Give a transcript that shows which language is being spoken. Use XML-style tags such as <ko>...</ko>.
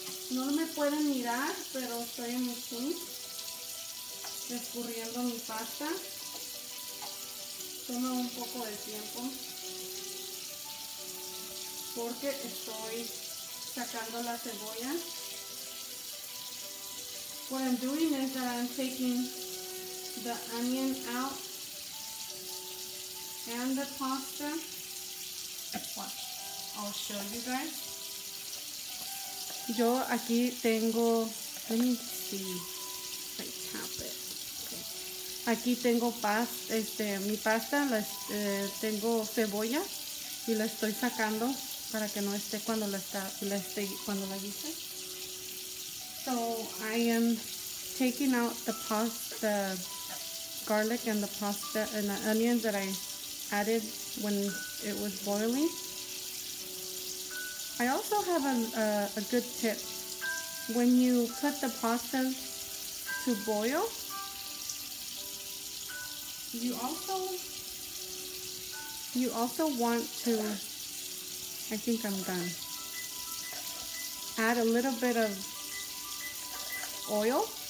<es>No me pueden mirar, pero estoy en mi sink escurriendo mi pasta. Toma un poco de tiempo porque estoy sacando la cebolla.</es> <en>What I'm doing is that I'm taking the onion out and the pasta. What? I'll show you guys.</en> <es>Yo aquí tengo,</es> <en>let me see, if I tap it. Okay.</en> <es>Aquí tengo pasta, mi pasta, tengo cebolla y la estoy sacando para que no esté cuando la hice.</es> <en>So I am taking out the pasta, the garlic and the pasta and the onions that I added when it was boiling. I also have a good tip. When you put the pasta to boil, you also want to, I think I'm done, add a little bit of oil.</en>